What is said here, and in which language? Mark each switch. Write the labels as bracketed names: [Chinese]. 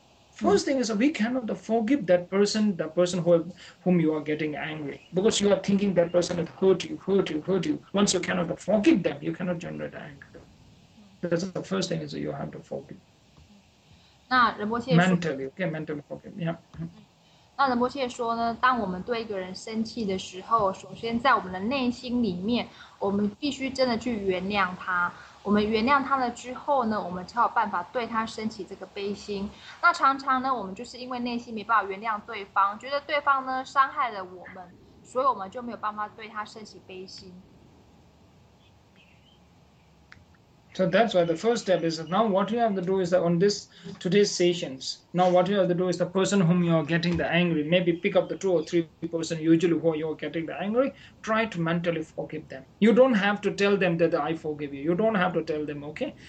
[English] First thing is we cannot forgive that person who whom you are getting angry. Because you are thinking that person has hurt you. Once you cannot forgive them, you cannot generate anger. That's the first thing is you have to forgive. [Chinese] 那仁波切说, [English] mentally, okay, mentally forgive, yeah. [Chinese] 那仁波切说呢，当我们对一个人生气的时候，首先在我们的内心里面，我们必须真的去原谅他。我们原谅他了之后呢，我们才有办法对他升起这个悲心。那常常呢，我们就是因为内心没办法原谅对方，觉得对方呢伤害了我们，所以我们就没有办法对他升起悲心。 [English] So that's why the first step is that now what you have to do is that on this today's sessions, now what you have to do is the person whom you are getting the angry, maybe pick up the two or three person usually who you are getting the angry, try to mentally forgive them. You don't have to tell them that I forgive you. You don't have to tell them, okay?